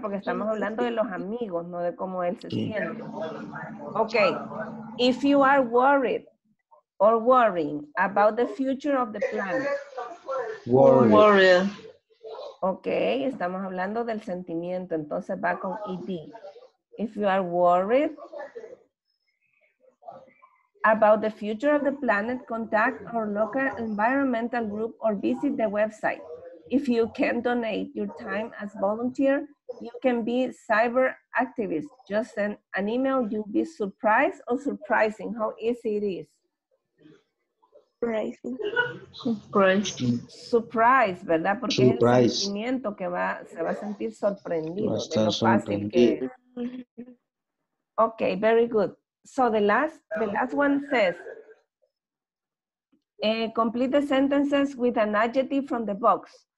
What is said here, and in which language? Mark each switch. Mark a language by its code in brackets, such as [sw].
[es] Porque estamos hablando de los amigos, no de cómo él se sí. siente. [en] Okay, if you are worried or worrying about the future of the planet. Worried. [es] Okay, estamos hablando del sentimiento, entonces va con ED. [en] If you are worried about the future of the planet, contact our local environmental group or visit the website. If you can donate your time as volunteer, you can be cyber activist. Just send an email, you'll be surprised or surprising how easy it is. Surprise. [es] Surprise, ¿verdad? Porque [en] surprise. [es] Es el sentimiento que va, se va a sentir sorprendido. Va a estar sorprendido. [en] Que... Ok, very good. So the last one says, complete the sentences with an adjective from the box.